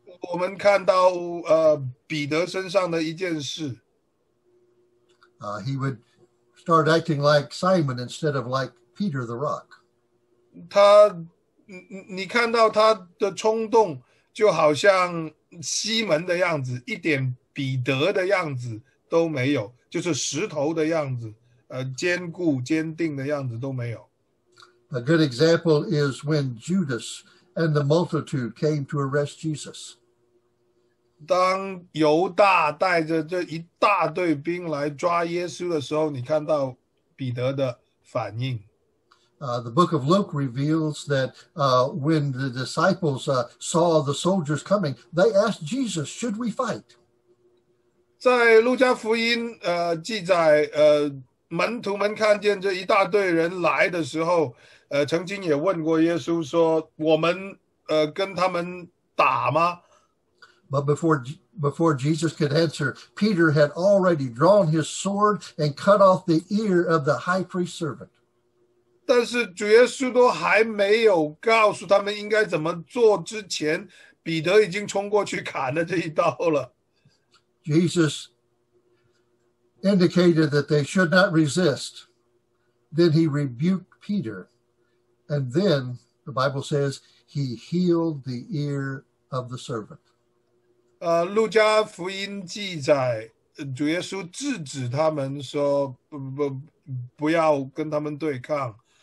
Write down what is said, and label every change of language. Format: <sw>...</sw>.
<zh>我们看到彼得身上的一件事。</zh> <en>He would start acting like Simon instead of like Peter the Rock.</en> <zh>你看到他的冲动就好像西门的样子，一点彼得的样子都没有，就是石头的样子，坚固坚定的样子都没有。</zh> <en>A good example is when Judas and the multitude came to arrest Jesus.</en> <zh>当犹大带着这一大队兵来抓耶稣的时候，你看到彼得的反应。</zh> <en>The book of Luke reveals that when the disciples saw the soldiers coming, they asked Jesus, should we fight?</en> <zh>在路加福音记载门徒们看见这一大队人来的时候曾经也问过耶稣说我们跟他们打吗？</zh> <en>But before Jesus could answer, Peter had already drawn his sword and cut off the ear of the high priest's servant.</en> <zh>但是主耶稣都还没有告诉他们应该怎么做之前，彼得已经冲过去砍了这一刀了。</zh> <en>Jesus indicated that they should not resist. Then he rebuked Peter. And then, the Bible says, he healed the ear of the servant.</en> <zh>路加福音记载，主耶稣制止他们说，不要跟他们对抗。</zh>